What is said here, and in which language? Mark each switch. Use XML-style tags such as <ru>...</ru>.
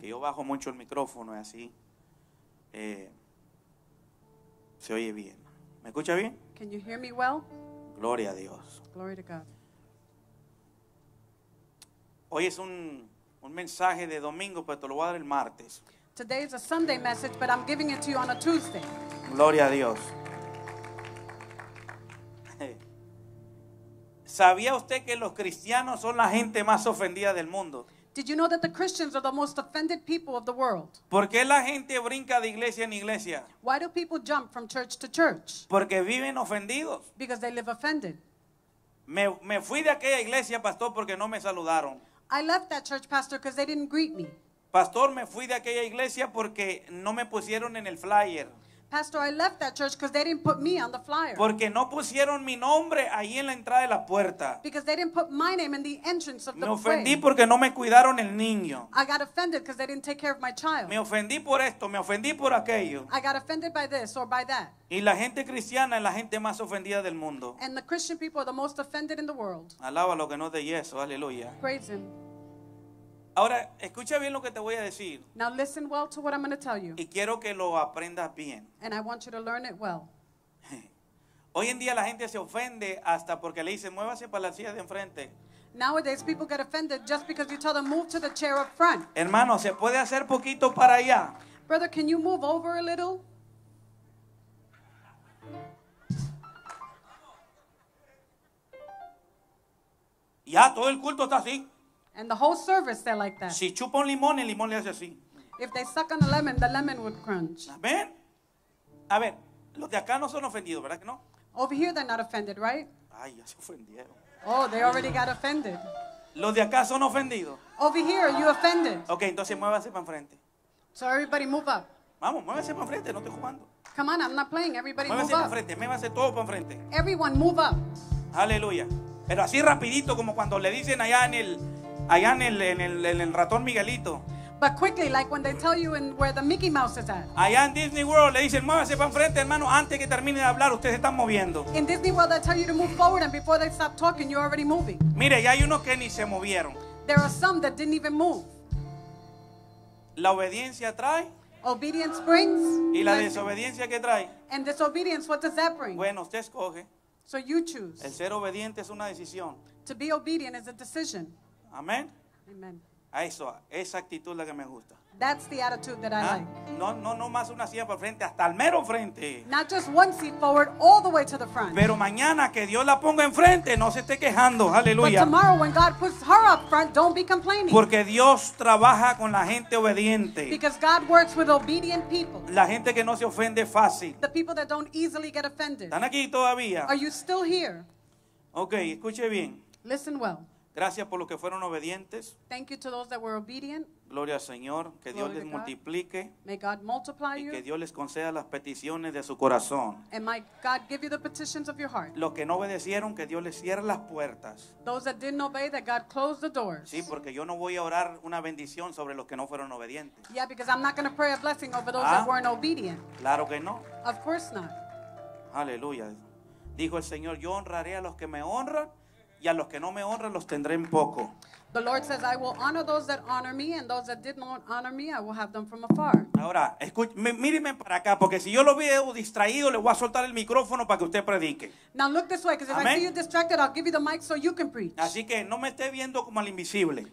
<es>Que yo bajo mucho el micrófono y así se oye bien. ¿Me escucha bien?</es> <en>Can you hear me well?</en> <es>Gloria a Dios.</es> <en>Glory to God.</en> <es>Hoy es un mensaje de domingo, pero te lo voy a dar el martes.</es> <en>Today is a Sunday message, but I'm giving it to you on a Tuesday.</en> <es>Gloria a Dios. ¿Sabía usted que los cristianos son la gente más ofendida del mundo?</es> <en>Did you know that the Christians are the most offended people of the world?</en> <es>¿Por qué la gente brinca de iglesia en iglesia?</es> <en>Why do people jump from church to church?</en> <es>Porque viven ofendidos.</es> <en>Because they live offended.</en> <es>Me fui de aquella iglesia, pastor, porque no me saludaron.</es> <en>I left that church, pastor, because they didn't greet me.</en> <es>Pastor, me fui de aquella iglesia porque no me pusieron en el flyer.</es> <en>Pastor, I left that church because they didn't put me on the flyer.</en> <es>Porque no pusieron mi nombre ahí en la entrada de la puerta.</es> <en>Because they didn't put my name in the entrance of the</en> <es>way. Me ofendí porque no me cuidaron el niño.</es> <en>I got offended because they didn't take care of my child.</en> <es>Me ofendí por esto, me ofendí por aquello.</es> <en>I got offended by this or by that.</en> <es>Y la gente cristiana es la gente más ofendida del mundo.</es> <en>And the Christian people are the most offended in the world.</en> <es>Alaba lo que no de yeso, aleluya.</es> <en>Praise him.</en> <es>Ahora, escucha bien lo que te voy a decir.</es> <en>Now listen well to what I'm going to tell you.</en> <es>Y quiero que lo aprendas bien.</es> <en>And I want you to learn it well.</en> <es>Hoy en día la gente se ofende hasta porque le dicen, muévase para la silla de enfrente.</es> <en>Nowadays people get offended just because you tell them, move to the chair up front.</en> <es>Hermano, ¿se puede hacer poquito para allá?</es> <en>Brother, can you move over a little?</en> <es>Ya, todo el culto está así.</es> <en>And the whole service, they're like that.</en> <es>Si chupa un limón, el limón le hace así.</es> <en>If they suck on a lemon, the lemon would crunch. Amen.</en> <es>A ver, los de acá no son ofendidos, ¿verdad que no?</es> <en>Over here, they're not offended, right?</en> <es>Ay, ya se ofendieron.</es> <en>Oh, they already got offended.</en> <es>Los de acá son ofendidos.</es> <en>Over here, are you offended?</en> <es>Okay, entonces muévase para enfrente.</es> <en>So everybody move up.</en> <es>Vamos, muévase para enfrente, no estoy jugando.</es> <en>Come on, I'm not playing. Everybody</en> <es>muévase</es> <en>move up.</en> <es>Muévase para enfrente, muévase todo para enfrente.</es> <en>Everyone move up.</en> <es>Aleluya. Pero así rapidito, como cuando le dicen allá en el... Allá en el ratón Miguelito.</es> <en>But quickly, like when they tell you in where the Mickey Mouse is at.</en> <es>Allá en Disney World le dicen, muévase para enfrente, hermano, antes que termine de hablar, ustedes están moviendo.</es> <en>In Disney World they tell you to move forward and before they stop talking, you're already moving.</en> <es>Mire, ya hay unos que ni se movieron.</es> <en>There are some that didn't even move.</en> <es>La obediencia trae.</es> <en>Obedience brings.</en> <es>Y la desobediencia, ¿qué trae?</es> <en>And disobedience, what does that bring?</en> <es>Bueno, usted escoge.</es> <en>So you choose.</en> <es>El ser obediente es una decisión.</es> <en>To be obedient is a decision.</en> <es>Amén.</es> <en>Amen.</en> <es>A eso, esa actitud la que me gusta.</es> <en>That's the attitude that I like.</en> <es>No más una silla para frente, hasta el mero frente.</es> <en>Not just one seat forward, all the way to the front.</en> <es>Pero mañana que Dios la ponga enfrente, no se esté quejando, aleluya.</es> <en>But tomorrow when God puts her up front, don't be complaining.</en> <es>Porque Dios trabaja con la gente obediente.</es> <en>Because God works with obedient people.</en> <es>La gente que no se ofende fácil.</es> <en>The people that don't easily get offended.</en> <es>¿Están aquí todavía?</es> <en>Are you still here?</en> <es>Okay, escuche bien.</es> <en>Listen well.</en> <es>Gracias por los que fueron obedientes.</es> <en>Thank you to those that were obedient.</en> <es>Gloria al Señor, que</es> <en>Glory</en> <es>Dios les</es> <en>God.</en> <es>Multiplique.</es> <en>May God multiply</en> <es>y</es> <en>you.</en> <es>Que Dios les conceda las peticiones de su corazón.</es> <en>And may God give you the petitions of your heart.</en> <es>Los que no obedecieron, que Dios les cierre las puertas.</es> <en>Those that didn't obey, that God close the doors.</en> <es>Sí, porque yo no voy a orar una bendición sobre los que no fueron obedientes.</es> <en>Yeah, because I'm not going to pray a blessing over those that weren't obedient.</en> <es>Claro que no.</es> <en>Of course not.</en> <es>Aleluya. Dijo el Señor, yo honraré a los que me honran. Y a los que no me honran los tendré en poco.</es> <en>The Lord says, I will honor those that honor me, and those that did not honor me, I will have them from afar.</en> <es>Ahora, míreme para acá, porque si yo lo veo distraído, le voy a soltar el micrófono para que usted predique.</es> <en>Now look this way, because if I see you distracted, I'll give you the mic so you can preach.</en> <es>Así que no me esté viendo como al invisible.</es>